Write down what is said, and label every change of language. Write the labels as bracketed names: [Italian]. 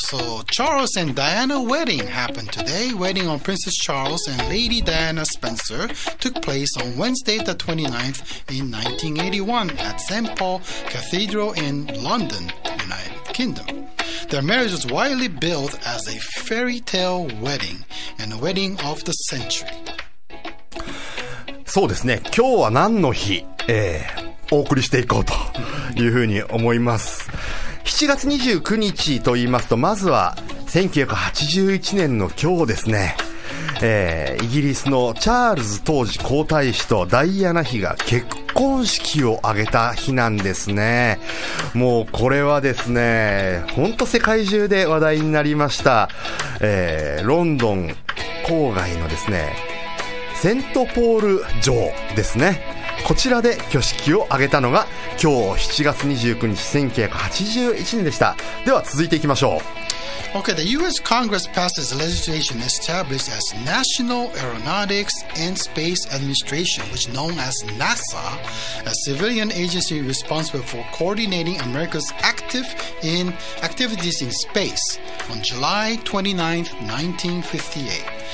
[English] So Charles and Diana wedding happened today. Wedding on Princess Charles and Lady Diana Spencer took place on Wednesday the 29th in 1981 at St. Paul Cathedral in London, United Kingdom. Their marriage was widely billed as a fairy tale wedding and a wedding of the century. [Japanese] そうですね。今日は何の日？お送りしていこうというふうに思います。7月29日と言いますと、まずは1981年の今日ですね、イギリスのチャールズ当時皇太子とダイアナ妃が結婚式を挙げた日なんですね。もうこれはですね、本当世界中で話題になりました。ロンドン郊外のですね、セントポール城ですね、こちらで挙式を挙げたのが今日7月29日1981年でした。では続いていきましょう。 [English] Okay, the US Congress passes legislation established as National Aeronautics and Space Administration, which known as NASA, a civilian agency responsible for coordinating America's activities in space on July 29, 1958.